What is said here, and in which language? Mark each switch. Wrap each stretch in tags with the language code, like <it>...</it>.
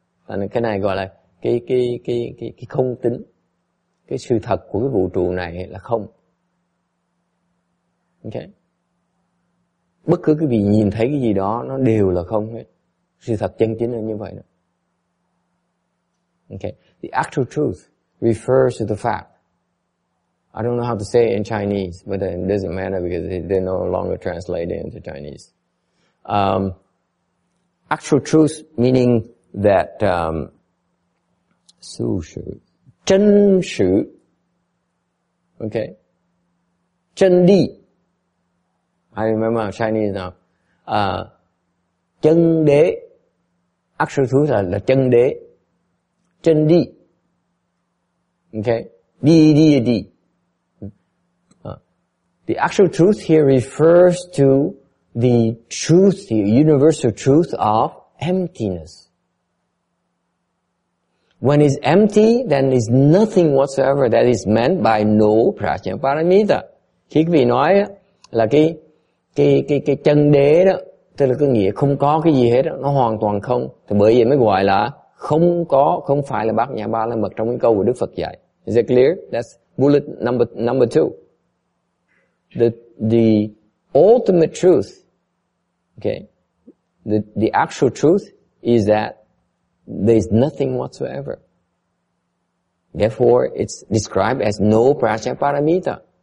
<vi>Là cái này gọi là cái không tính, cái sự thật của cái vũ trụ này là không. Ok, bất cứ cái gì nhìn thấy cái gì đó nó đều là không hết, sự thật chân chính là như vậy đó.</vi> <en>Ok, the actual truth refers to the fact, I don't know how to say it in Chinese, but it doesn't matter because they're no longer translated into Chinese. Actual truth meaning that</en> <vi>sự sự chân sự,</vi> <en>ok, chân đi, I remember Chinese now, chân đế, actual truth là chân đế, chân đi, ok, đi, the actual truth here refers to the truth, the universal truth of emptiness. When it's empty, then it's nothing whatsoever that is meant by no Prajnaparamita.</en> <vi>Khi quý vị nói là cái chân đế đó, tức là có nghĩa không có cái gì hết đó, nó hoàn toàn không. Thì bởi vậy mới gọi là không có, không phải là bát nhã ba la mật trong cái câu của Đức Phật dạy.</vi> <en>Is it clear? That's bullet number two. The ultimate truth, okay, the actual truth is that there's nothing whatsoever. Therefore, it's described as no Prajnaparamita.</en>